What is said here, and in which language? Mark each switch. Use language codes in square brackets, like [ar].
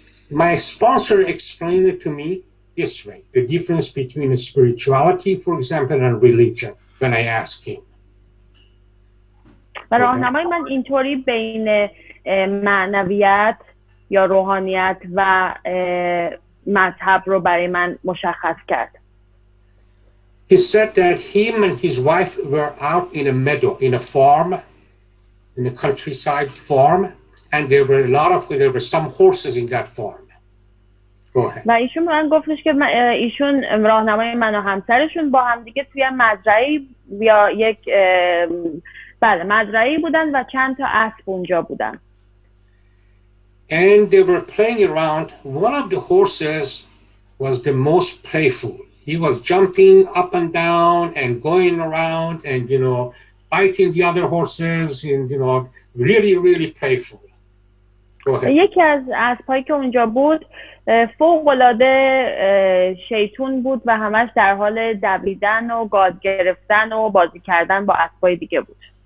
[en] My sponsor explained it to me this way, the difference between spirituality, for example, and religion, when I ask him. [fa] و راهنمای من اینطوری بین معنویت یا روحانیت و مذهب رو برای من مشخص کرد. [en] He said that him and his wife were out in a meadow, in a farm, in a countryside farm, and there were some horses in that farm. [fa] و ایشون من گفتش که ایشون راهنمای من و همسرشون با هم دیگه توی مزرعه‌ای یا یک بله مزرعه‌ای بودن و چند تا اسب اونجا بودن. [en] And they were playing around. One of the horses was the most playful. He was jumping up and down and going around and you know biting the other horses and you know really really playful. [fa] یکی از اسبایی که اونجا بود فوق‌العاده شیطون بود و همش در حال دویدن و گاد گرفتن و بازی کردن با اسبای دیگه بود.